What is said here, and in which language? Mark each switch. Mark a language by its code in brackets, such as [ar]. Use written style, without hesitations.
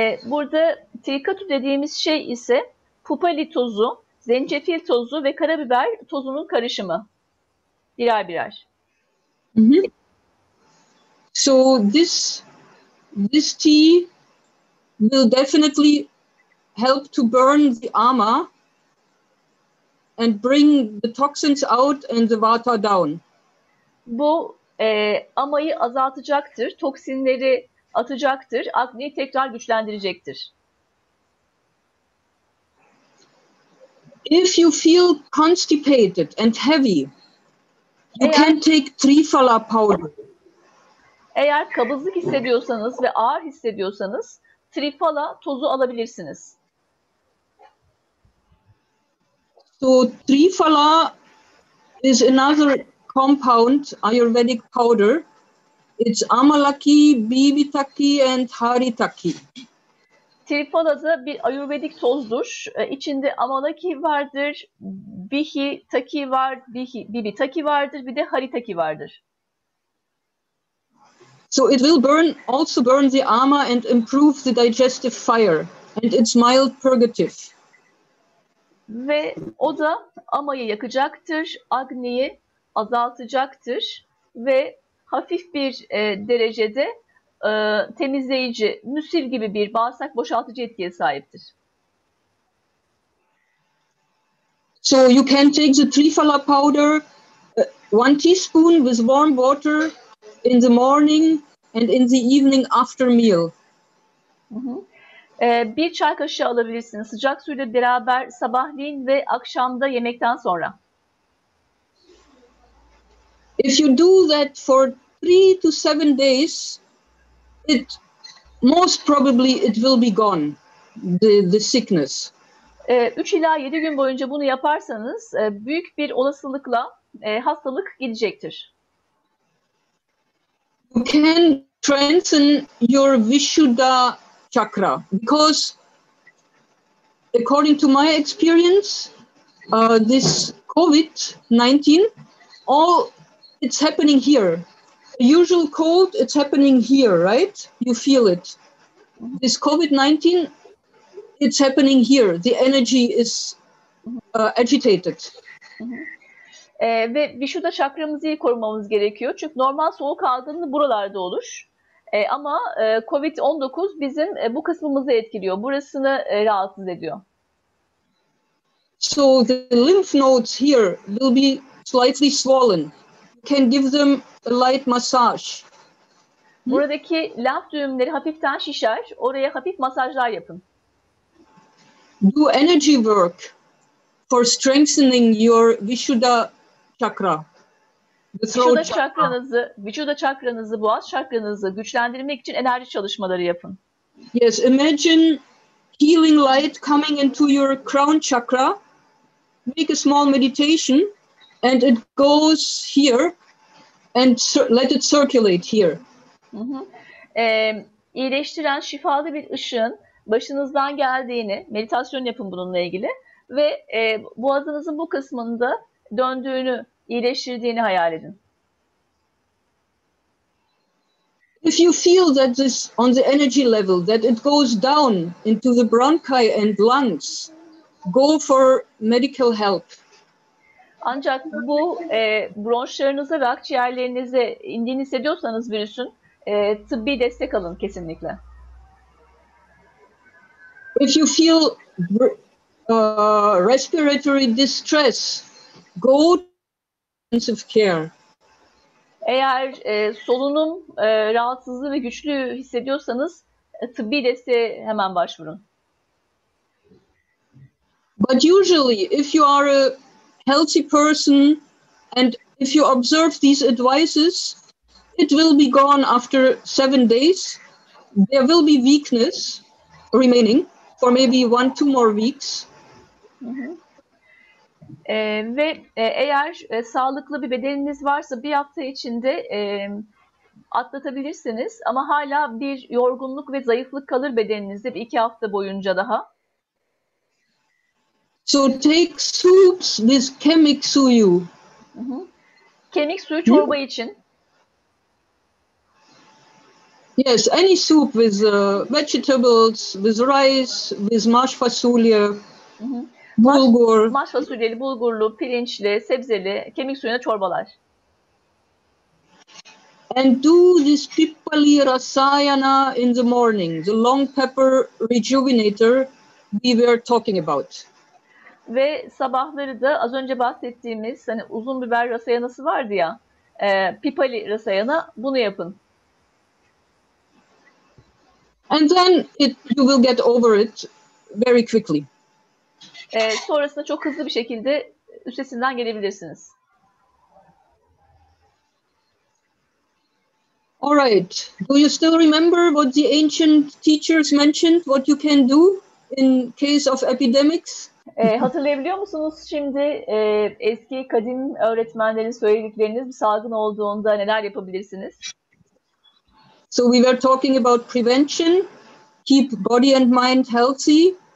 [tr] Burada trikatu dediğimiz şey ise pupali tozu, zencefil tozu ve karabiber tozunun karışımı. Birer birer. [en] So this tea will definitely help to burn the ama and bring the toxins out and the vata down. [tr] Bu amayı azaltacaktır, toksinleri atacaktır, agniyi tekrar güçlendirecektir. [en] If you feel constipated and heavy, you can take trifala powder. Eğer kabızlık hissediyorsanız ve ağır hissediyorsanız trifala tozu alabilirsiniz. So trifala is another compound, Ayurvedic powder. It's amalaki, bibitaki and haritaki. [tr] Trifala da bir Ayurvedik tozdur. İçinde amalaki vardır, bibitaki vardır, bir de haritaki vardır. [en] So it will burn the ama and improve the digestive fire and it's mild purgative. [tr] Ve o da amayı yakacaktır, agniyi azaltacaktır ve hafif bir derecede temizleyici, müsil gibi bir bağırsak boşaltıcı etkiye sahiptir. [en] So you can take the trifala powder, 1 teaspoon with warm water in the morning and in the evening after meal. [tr] Bir çay kaşığı alabilirsiniz sıcak suyla beraber sabahleyin ve akşamda yemekten sonra. [en] If you do that for 3 to 7 days, it most probably it will be gone, the sickness. [tr] 3 ila 7 gün boyunca bunu yaparsanız büyük bir olasılıkla hastalık gidecektir. [en] You can strengthen your Vishuddha chakra because according to my experience this COVID-19 all it's happening here. The usual cold, it's happening here, right? You feel it. This COVID-19, it's happening here. The energy is agitated. [tr] Ve Vishuddha chakramızı iyi korumamız gerekiyor çünkü normal soğuk algınlığı buralarda olur. Ama COVID-19 bizim bu kısmımızı etkiliyor. Burasını rahatsız ediyor. [en] So the lymph nodes here will be slightly swollen. You can give them a light massage. [tr] Buradaki lenf düğümleri hafiften şişer. Oraya hafif masajlar yapın. [en] Do energy work for strengthening your Vishuddha chakra. [tr] Vücuda çakranızı, boğaz çakranızı güçlendirmek için enerji çalışmaları yapın. [en] Yes, imagine healing light coming into your crown chakra. make a small meditation and it goes here and let it circulate here. [tr] İyileştiren şifalı bir ışığın başınızdan geldiğini, meditasyon yapın bununla ilgili ve boğazınızın bu kısmında döndüğünü, iyileştirdiğini hayal edin. [en] If you feel that this on the energy level that it goes down into the bronchi and lungs, go for medical help. [tr] Ancak bu bronşlarınıza ve akciğerlerinize indiğini hissediyorsanız virüsün, tıbbi destek alın kesinlikle. [en] If you feel respiratory distress, go intensive care. [tr] Eğer solunum rahatsızlığı ve güçlüğü hissediyorsanız tıbbi desteğe hemen başvurun. [en] But usually if you are a healthy person and if you observe these advices, it will be gone after 7 days. There will be weakness remaining for maybe 1-2 more weeks. [tr] Ve eğer sağlıklı bir bedeniniz varsa bir hafta içinde atlatabilirsiniz ama hala bir yorgunluk ve zayıflık kalır bedeninizde bir iki hafta boyunca daha. [en] So take soups with [tr] kemik suyu. Kemik suyu çorba için. [en] Yes, any soup with vegetables, with rice, with mashed fasulye. [tr] Bulgur, maş fasulyeli, bulgurlu, pirinçli, sebzeli, kemik suyuna çorbalar. [en] And do this pippali rasayana in the morning, the long pepper rejuvenator we were talking about. [tr] Ve sabahları da az önce bahsettiğimiz hani uzun biber rasayanası vardı ya, pippali rasayana, bunu yapın. [en] And then you will get over it very quickly. [tr] Sonrasında çok hızlı bir şekilde üstesinden gelebilirsiniz. [en] All right. Do you still remember what the ancient teachers mentioned? What you can do in case of epidemics? [tr] Hatırlayabiliyor musunuz şimdi eski kadim öğretmenlerin söyledikleriniz bir salgın olduğunda neler yapabilirsiniz? [en] So we were talking about prevention, keep body and mind healthy.